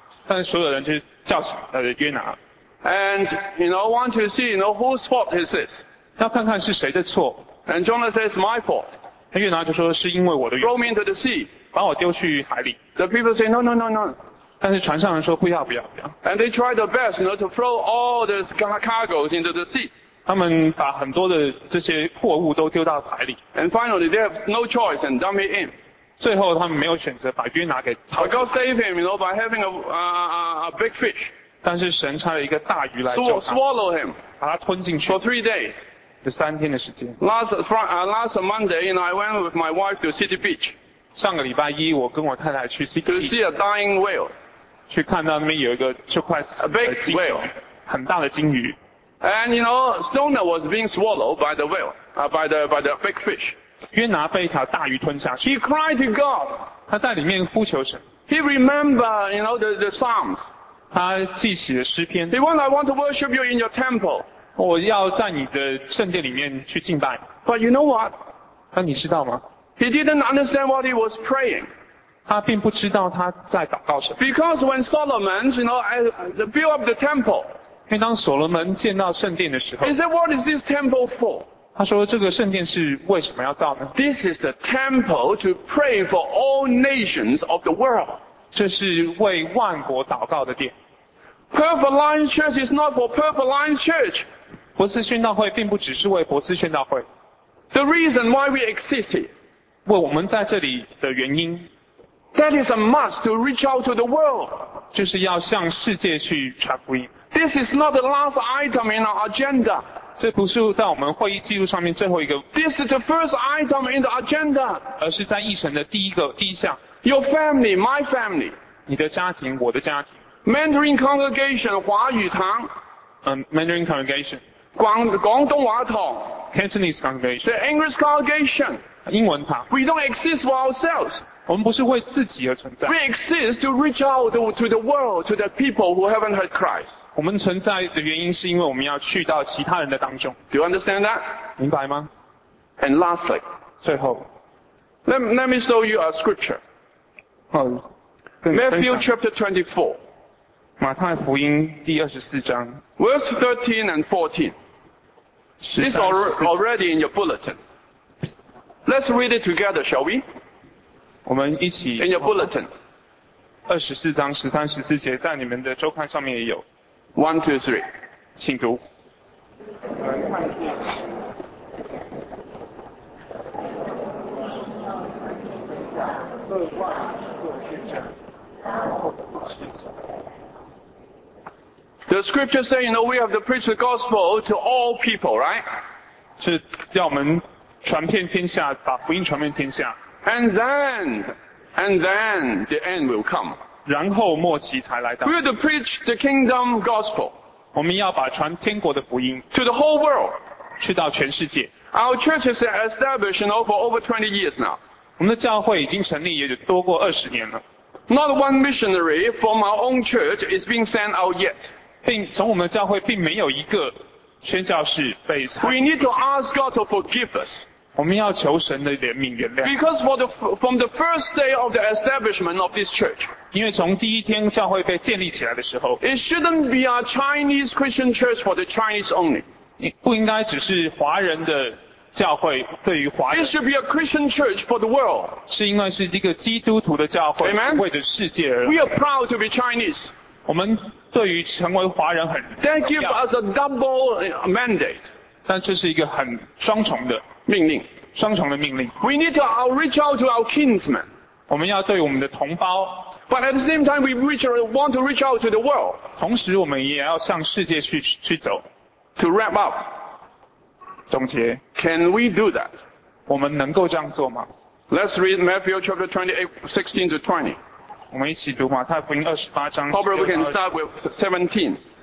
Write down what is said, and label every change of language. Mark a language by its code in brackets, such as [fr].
[zh] 但是所有人就叫醒约拿。 [en] And, want to see, whose fault is this. [zh] 要看看是谁的错。 [en] And Jonah says, my fault. [zh] 约拿就说是因为我的原因。 [en] Throw me into the sea. [zh] 把我丢去海里。 [en] The people say, no. [zh] 但是船上人说不要。 [en] And they try their best, to throw all the cargoes into the sea. [zh] 他们把很多的这些货物都丢到海里。 [en] And finally, they have no choice and dump it in. [zh] 最后他们没有选择把约拿给逃出来。 [en] But God saved him, by having a big fish. [zh] 但是神差了一个大鱼来救他。 [en] Swallow him. [zh] 把他吞进去。 [en] For 3 days. [zh] 这三天的时间。 [en] Last Monday, I went with my wife to City Beach. [zh] 上个礼拜一我跟我太太去 City Beach. [en] To see a dying whale. [zh] 去看到那边有一个就快死的鲸鱼。 [en] A big whale. [zh] 很大的鲸鱼。 [en] And Jonah was being swallowed by the whale, by the big fish. [zh] 约拿被一条大鱼吞下去。 [en] He cried to God. [zh] 他在里面呼求神。 [en] He remembered, the Psalms. [zh] 他记起了诗篇。 [en] He went, I want to worship you in your temple. [zh] 我要在你的圣殿里面去敬拜。 [en] But you know what? [zh] 那你知道吗？ [en] He didn't understand what he was praying. [zh] 他并不知道他在祷告什么。 [en] Because when Solomon, built up the temple, [zh] 因为当所罗门建造圣殿的时候 [en] He said, what is this temple for? [zh] 他说这个圣殿是为什么要造呢 [en] This is the temple to pray for all nations of the world. [zh] 这是为万国祷告的殿。 [en] Perth Alliance Church is not for Perth Alliance Church. [zh] 博斯宣道会并不只是为博斯宣道会。 [en] The reason why we exist here. [zh] 为我们在这里的原因。 [en] That is a must to reach out to the world. [zh] 就是要向世界去传福音。 [en] This is not the last item in our agenda. [zh] 这不是在我们会议记录上面最后一个。 [en] This is the first item in the agenda. [zh] 而是在议程的第一项。 [en] Your family, my family. [zh] 你的家庭，我的家庭。 [en] Mandarin congregation, [zh] 华语堂。 [en] Mandarin congregation. [zh] 广东话堂。 [en] Cantonese congregation. The English congregation. [zh] 英文堂。 [en] We don't exist for ourselves. [zh] 我们不是为自己而存在。 [en] We exist to reach out to the world, to the people who haven't heard Christ. [zh] 我们存在的原因是因为我们要去到其他人的当中。 [en] Do you understand that? [zh] 明白吗？ [en] And lastly, [zh] 最后 [en] let me show you a scripture. Matthew chapter 24. [zh] 马太福音第24章。 [en] Verse 13 and 14. This is already in your bulletin. Let's read it together, shall we? [zh] 我们一起 [en] In your bulletin [zh] 24章13、14节在你们的周刊上面也有 [en] 1, 2, 3 [zh] 请读 [en] The scripture says we have to preach the gospel to all people, right? [zh] 是要我们传遍天下把福音传遍天下 [en] And then the end will come. [zh] 然后末期才来到。 [en] We're to preach the kingdom gospel. [zh] 我们要把传天国的福音。 [en] To the whole world. [zh] 去到全世界。 [en] Our church is established now for over 20 years now. [zh] 我们的教会已经成立也就多过二十年了。 [en] Not one missionary from our own church is being sent out yet. [zh] 并从我们的教会并没有一个宣教士被差遣。 [en] We need to ask God to forgive us. [zh] 我们要求神的怜悯原谅。 [en] Because from the first day of the establishment of this church, [zh] 因为从第一天教会被建立起来的时候， [en] it shouldn't be a Chinese Christian church for the Chinese only. [zh] 不应该只是华人的教会对于华人。 [en] It should be a Christian church for the world. [zh] 是因为是一个基督徒的教会，为着世界而。 [en] We are proud to be Chinese. [zh] 我们对于成为华人很荣耀。 [en] That gives us a double mandate. [zh] 但这是一个很双重的。命令，双重的命令。 [en] We need to reach out to our kinsmen. [zh] 我们要对我们的同胞。 [en] But at the same time, we want to reach out to the world. [zh] 同时，我们也要向世界去走。 [en] To wrap up. [zh] 总结。 [en] Can we do that? [zh] 我们能够这样做吗 [en] ？Let's read Matthew chapter 28:16-20. [zh] 我们一起读马太福音二十八章。 [en] Probably we can start with 17.